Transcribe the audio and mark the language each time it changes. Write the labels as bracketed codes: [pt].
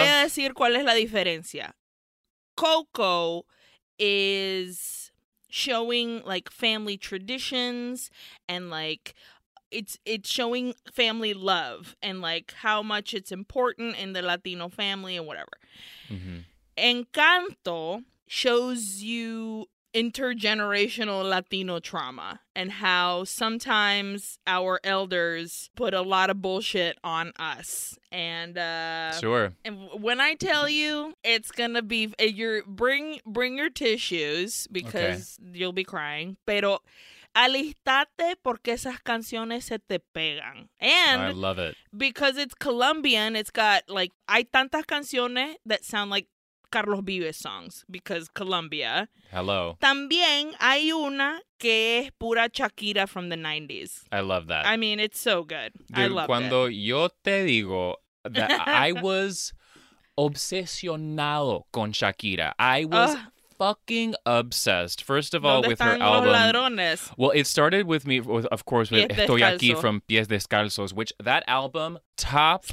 [es] Okay, te voy a decir cuál es la diferencia. [en] Coco is showing like family traditions and like... It's showing family love and like how much it's important in the Latino family and whatever. Mm-hmm. Encanto shows you intergenerational Latino trauma and how sometimes our elders put a lot of bullshit on us. And sure. And when I tell you, it's gonna be bring your tissues because you'll be crying. [es] Pero alistate porque esas canciones se te pegan. And [en] I love it. Because it's Colombian, it's got like, [es] hay tantas canciones [en] that sound like Carlos Vives songs because Colombia. Hello. [es] También hay una que es pura Shakira [en] from the 90s. I love that. I mean, it's so good. Dude, I love it. [es] Cuando yo te digo [en] that I was [es] obsesionado con Shakira, [en] I was... fucking obsessed. First of all, with her album. Ladrones? Well, it started with me, of course, with Estoy Aquí from Pies Descalzos, which that album, top